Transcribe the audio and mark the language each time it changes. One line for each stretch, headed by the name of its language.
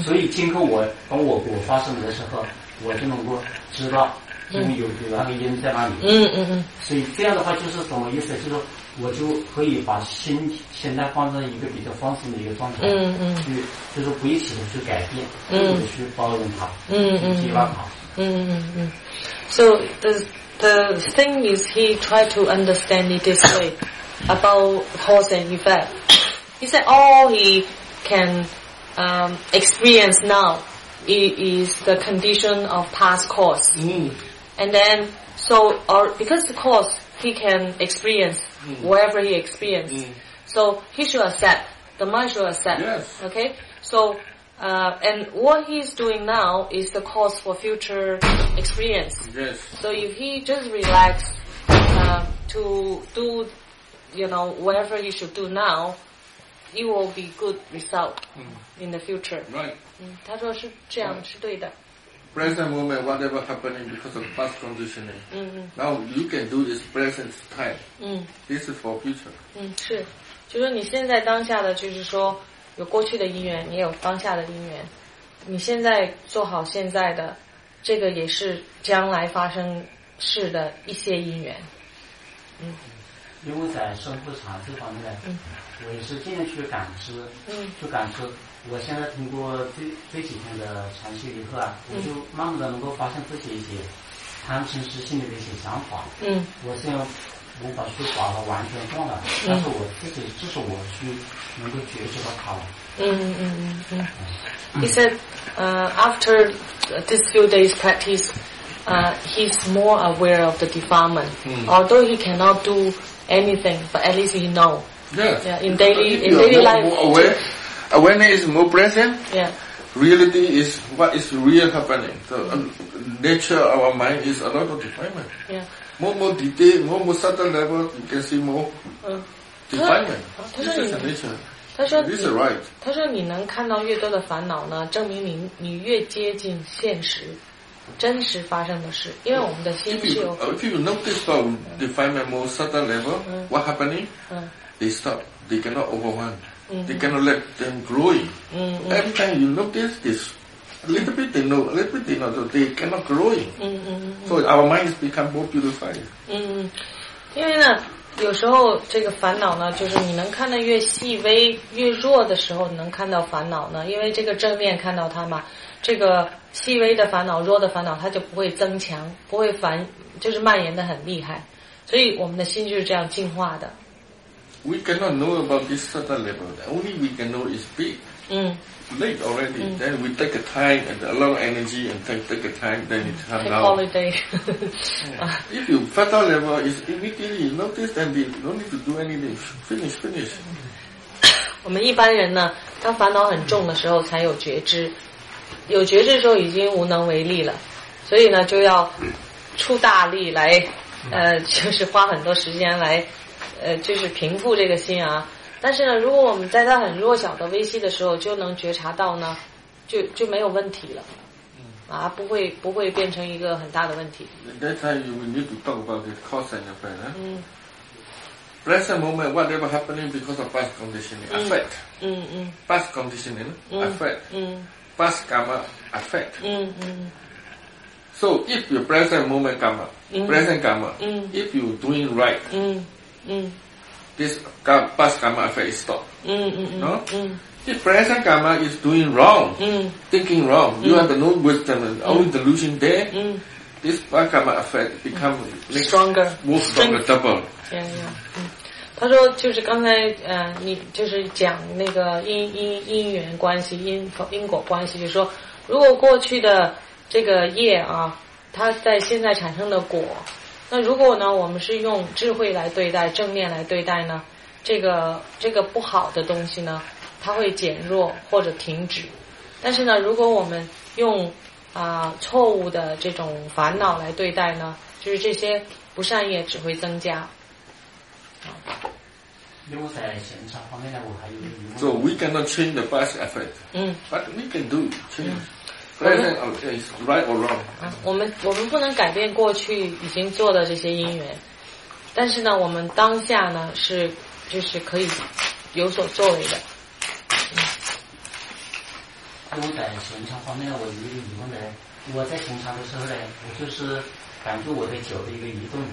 Chinese: 所以今后我当我果发生的时候，我就能够知道，因为有那个因在哪里，嗯嗯嗯。所以这样的话就是什么意思？就是我就可以把心现在放在一个比较放松的一个状态，嗯嗯，去就是不一起的去改变，嗯，去包容它，嗯，去接纳它，嗯嗯嗯。
English: So the thing is, he tried to understand it this way about cause and effect. He said all he can experience now is the condition of past cause. Mm. And then so or because the cause he can experience. Mm. Whatever he experienced. Mm. So he should accept. The mind should accept. Yes. Okay? So, and what he's doing now is the cause for future experience. Yes. So if he just relax, to do, you know, whatever he should do now, it will be good result mm. in the future. Right.
Chinese: 他说是这样, 是对的。
English: Present moment, whatever happening because of past conditioning. Mm-hmm. Now you can do this present time. Mm-hmm. This is for future.
Chinese: 嗯，是，就是你现在当下的，就是说有过去的因缘，也有当下的因缘。你现在做好现在的，这个也是将来发生事的一些因缘。嗯，因为在生不长这方面，嗯，我也是尽量去感知，嗯，去感知。我现在通过这几天的禅修以后啊，我就慢慢的能够发现自己一些贪嗔痴心里的一些想法。嗯，我虽然无法去把它完全断了，嗯，但是我自己至少我去能够觉知到它了。
English: 嗯嗯嗯嗯。He said, after this few days practice, he's more aware of the defilement. Although he cannot do anything, but at least he know. Yes. Yeah. In daily life. More aware. Awareness is more present. Yeah. Reality is what is real happening. The nature of our mind is a lot of defilement. Yeah. More detail, more subtle level, you can see more defilement. This is the nature.
Chinese: 他说
English: This is right.
Chinese: 他说你能看到越多的烦恼呢，证明你越接近现实，真实发生的事。因为我们的心是有。
English: If you notice the defilement more subtle level, what happening? They stop. They cannot overwhelm. They cannot let them growing. Mm-hmm. Every time you notice this, a little bit they know, a little bit they know, so they cannot growing. Mm-hmm. So our minds become more purified. Mm-hmm.
Chinese: 因为呢，有时候这个烦恼呢，就是你能看得越细微、越弱的时候，能看到烦恼呢，因为这个正面看到它嘛，这个细微的烦恼、弱的烦恼，它就不会增强，不会烦，就是蔓延得很厉害。所以我们的心就是这样进化的。
English: We cannot know about this certain level. The only we can know is big. Late already. Then we take a time and a lot of energy and take a time. Then it comes out. Holiday. If you fatal level is immediately noticed, then we don't need to do anything. Finish.
Chinese: 我们一般人呢，当烦恼很重的时候才有觉知，有觉知的时候已经无能为力了，所以呢就要出大力来，就是花很多时间来。就是平复这个心啊，但是呢，如果我们在它很弱小的微细的时候就能觉察到呢，就没有问题了，嗯，啊，不会变成一个很大的问题。
English: That time we need to talk about the cause and effect. 嗯。 Present moment, whatever happening because of past conditioning effect. 嗯嗯。 Past conditioning effect. 嗯。 Past karma effect. 嗯嗯。 So if your present moment karma, present karma, if you doing right. 嗯。嗯, this past karma effect is stopped. If present karma is doing wrong, thinking wrong, you have no wisdom, only delusion there, this past karma effect becomes stronger, more stronger, double. Yeah, yeah.
Chinese: 他说就是刚才你就是讲那个因缘关系因果关系，就是说如果过去的这个业啊，它在现在产生的果。那如果呢，我们是用智慧来对待，正面来对待呢，这个不好的东西呢，它会减弱或者停止。但是呢，如果我们用错误的这种烦恼来对待呢，就是这些不善业只会增加。因为在现场方面呢，我还有一个。
English: So we cannot change the past effect. 嗯。 But we can do change. present is right or wrong.
Chinese: 我们不能改变过去已经做的这些因缘，但是呢，我们当下呢是就是可以有所作为的。我在行禅方面，我有一个疑问呢。我在行禅的时候呢，我就是感觉我的脚的一个移动，